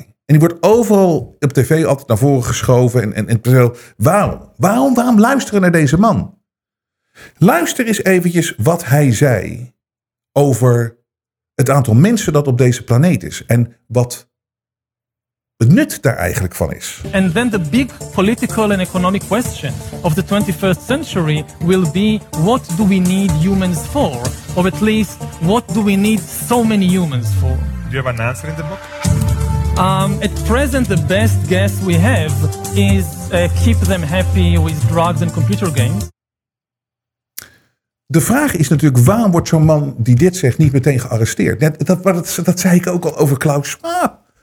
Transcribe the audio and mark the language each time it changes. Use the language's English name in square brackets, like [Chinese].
[Dutch] En die wordt overal op tv altijd naar voren geschoven. En waarom? Waarom luisteren naar deze man? Luister eens eventjes wat hij zei over het aantal mensen dat op deze planeet is en wat het nut daar eigenlijk van is. [English] And then the big political and economic question of the 21st century will be, what do we need humans for? Or at least, what do we need so many humans for? Do you have an answer in the book? At present, the best guess we have is keep them happy with drugs and computer games. [Dutch] De vraag is natuurlijk, waarom wordt zo'n man die dit zegt niet meteen gearresteerd? Dat zei ik ook al over Klaus Schwab.